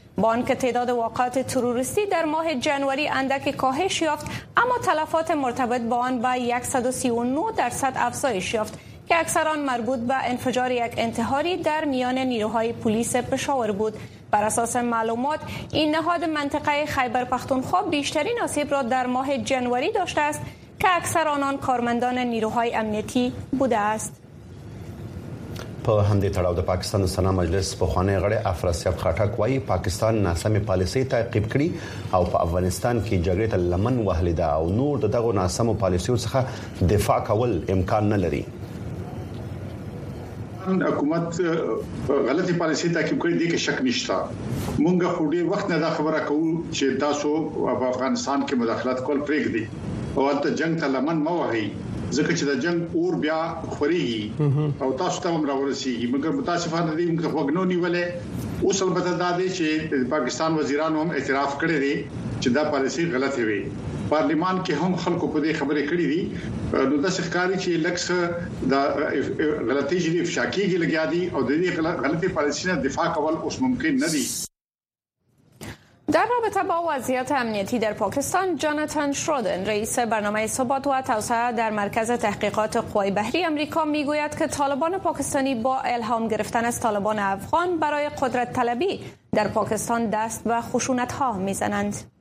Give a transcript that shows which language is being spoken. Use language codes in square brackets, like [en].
[fa] با آنکه تعداد واقعات تروریستی در ماه جنوری اندک کاهش یافت، اما تلفات مرتبط با آن به 139% افزایش یافت که اکثر آن مربوط به انفجار یک انتحاری در میان نیروهای پلیس پشاور بود. بر اساس معلومات این نهاد منطقه خیبر پختونخوا بیشترین آسیب را در ماه جنوری داشته است که اکثر آنان کارمندان نیروهای امنیتی بوده است. [ps] په همدې تړاو د پاکستان سنا مجلس په خوانې غړې افراسیاب خټک وایي پاکستان ناسمې پالیسۍ تعقیب کړي او په افغانستان کې جګړې ته لمن وهلې ده او نور د دغو ناسمو پالیسیو څخه دفاع کول امکان نه لري. حکومت غلطی پالیسی تعقیب کړي دی کې شک نشته. مونږ خو ډېر وخت نه دا خبره کوو چې تاسو په افغانستان کې مداخلت کول پریږدي او هلته جنگ ته لمن مه وهئ، ځکه چې دا جنگ اور بیا خوریږي او تاسو ته هم راورسیږي. مګر متاسفانه دی مونږ خو غنو نیولې. اوس البته دا دی چې پاکستان وزیرانو هم اعتراف کړی دی چې دا پالیسی غلطه وی. پارلیمان کې هم خلکو په دې خبره کړې دي. نو دا ښکاری چې لکس دا غلطي چې افشا کیږي لګیا دي او د دې غلطي پالیسۍ نه دفاع کول اوس ممکن نه دي. [fa] در رابطه با وضعیت امنیتی در پاکستان، جاناتان شرودن رئیس برنامه ثبات و توسعه در مرکز تحقیقات قوای بحری امریکا میگوید که طالبان پاکستانی با الهام گرفتن از طالبان افغان برای قدرت طلبی در پاکستان دست به خشونت ها میزنند.